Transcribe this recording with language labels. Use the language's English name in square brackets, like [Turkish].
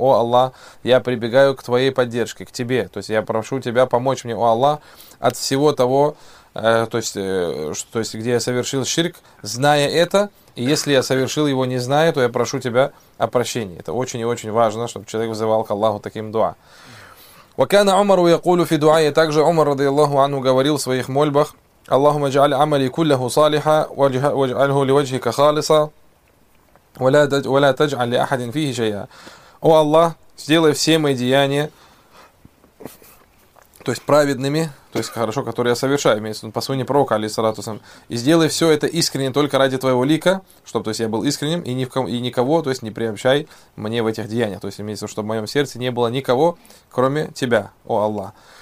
[Russian] «О Аллах, я прибегаю к твоей поддержке, к тебе». То есть я прошу тебя помочь мне, о Аллах, от всего того, то есть где я совершил ширк, зная это. И если я совершил его не зная, то я прошу тебя о прощении. Это очень и очень важно, чтобы человек взывал к Аллаху таким дуа. [Arabic] وكان عمر يقول في دعائه [Russian] также [Arabic] عمر رضي الله عنه [Russian] говорил в своих мольбах: [Arabic] اللهم اجعل عملي كله صالحا واجعله لوجهك خالصا ولا تجعل لاحد فيه شيئا. [Russian] О Аллах, сделай все мои деяния, то есть праведными, то есть хорошо, которые я совершаю, имеется в виду по сунне пророка, алейхиссалату вассалям, и сделай все это искренне только ради твоего лика, чтобы, то есть, я был искренним, и, ни в ком, и никого, то есть, не приобщай мне в этих деяниях, то есть, имеется в виду, чтобы в моем сердце не было никого, кроме тебя, о Аллах.